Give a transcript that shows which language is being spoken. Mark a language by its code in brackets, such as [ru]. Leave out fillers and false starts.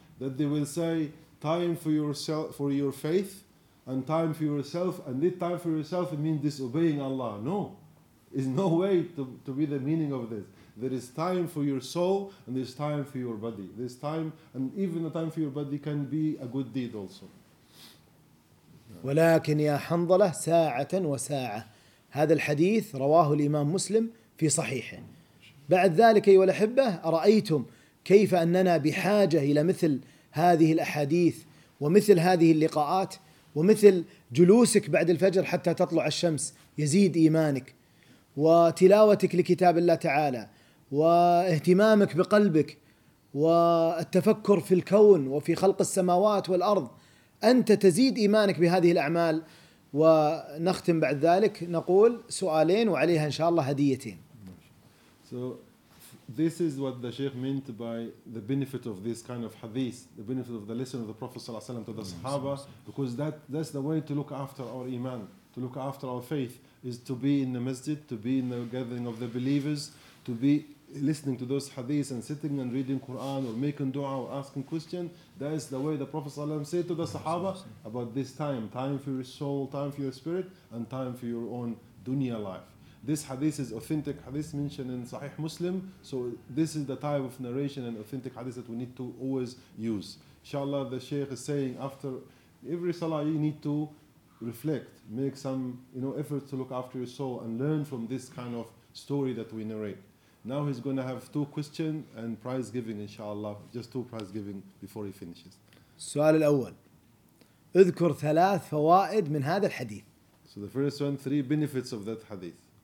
[en] That they will say, time for yourself, for your faith and time for yourself. And this time for yourself means disobeying Allah. No. There's no way to be the meaning of this. There is time for your soul and there's time for your body. There's time, and even the time for your body can be a good deed also. [ar] ولكن يا حنظلة ساعة وساعة. هذا الحديث رواه الإمام مسلم في صحيحه. بعد ذلك أيها الأحبة أرأيتم كيف أننا بحاجة إلى مثل هذه الأحاديث ومثل هذه اللقاءات ومثل جلوسك بعد الفجر حتى تطلع الشمس يزيد إيمانك. وتلاوتك لكتاب الله تعالى واهتمامك بقلبك والتفكر في الكون وفي خلق السماوات والأرض أنت تزيد إيمانك بهذه الأعمال. ونختم بعد ذلك نقول سؤالين وعليها إن شاء الله هديتين. [en] So this is what the Sheikh meant by the benefit of this kind of hadith, the benefit of the lesson of the Prophet [ar] صلى الله عليه وسلم [en] to the Sahaba, because that's the way to look after our iman, to look after our faith, is to be in the masjid, to be in the gathering of the believers, to be listening to those hadiths and sitting and reading Quran or making dua or asking questions. That is the way the Prophet ﷺ said to the Sahaba about this time for your soul, time for your spirit, and time for your own dunya life. This hadith is authentic hadith mentioned in Sahih Muslim, so this is the type of narration and authentic hadith that we need to always use. Inshallah, the Shaykh is saying after every salah you need to reflect, make some effort to look after your soul and learn from this kind of story that we narrate. Now he's going to have two questions and prize giving, inshallah, just two prize giving before he finishes. [ar] السؤال الأول اذكر ثلاث فوائد من هذا الحديث. [en] So the first one, three benefits of that hadith.